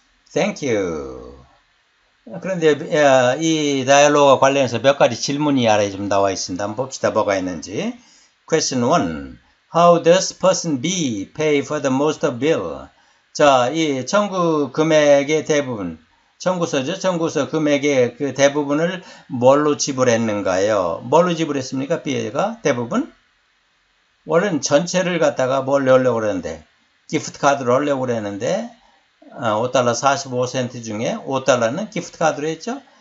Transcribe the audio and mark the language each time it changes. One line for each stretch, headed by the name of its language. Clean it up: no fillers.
English: Thank you.
Korean: 그런데 이 다이얼로그와 관련해서 몇 가지 질문이 아래에 좀 나와 있습니다. 한번 봅시다. 뭐가 있는지. Question 1.
English: How does person B pay for the most of bill?
Korean: 자, 이 청구 금액의 대부분, 청구서죠? 청구서 금액의 그 대부분을 뭘로 지불했는가요? 뭘로 지불했습니까? B가 대부분? 원래는 전체를 갖다가 뭘 넣으려고 그러는데, 기프트카드를 넣으려고 그랬는데, 5달러 45센트 중에 5달러는 기프트카드로 했죠?